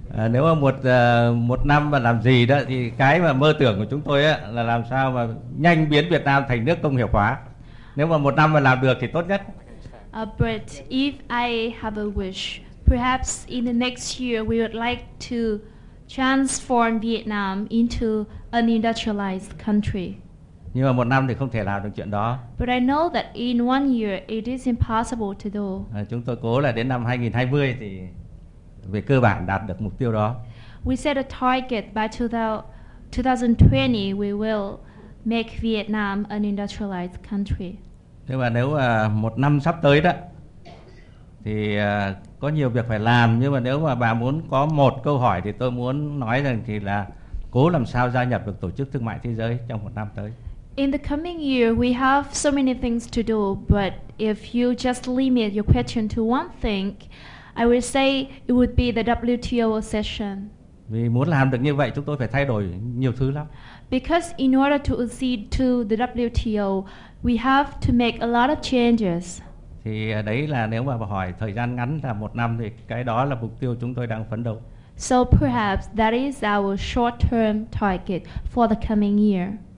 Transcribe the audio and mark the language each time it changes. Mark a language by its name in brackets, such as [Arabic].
[Vietnamese] Nếu mà một năm mà làm gì đó thì cái mà mơ tưởng của chúng tôi á, là làm sao mà nhanh biến Việt Nam thành nước công nghiệp hóa. Nếu mà một năm mà làm được thì tốt nhất. [English] But if I have a wish, perhaps in the next year we would like to transform Vietnam into an industrialized country. [Vietnamese] Nhưng mà một năm thì không thể làm được chuyện đó. [English] But I know that in one year it is impossible to do. [Vietnamese] Chúng tôi cố là đến năm 2020 thì về cơ bản đạt được mục tiêu đó. [English] We set a target by 2020 we will make Vietnam an industrialized country. [Vietnamese] Thế mà nếu một năm sắp tới đó thì có nhiều việc phải làm, nhưng mà nếu mà bà muốn có một câu hỏi thì tôi muốn nói rằng thì là cố làm sao gia nhập được Tổ chức Thương mại Thế giới trong một năm tới. [English] In the coming year, we have so many things to do, but if you just limit your question to one thing, I would say it would be the WTO accession. [Vietnamese] Vì muốn làm được như vậy, chúng tôi phải thay đổi nhiều thứ lắm. [English] because in order to accede to the WTO, we have to make a lot of changes. [Vietnamese] Thì đấy là nếu mà hỏi thời gian ngắn là một năm thì cái đó là mục tiêu chúng tôi đang phấn đấu. [English] So perhaps that is our short-term target for the coming year.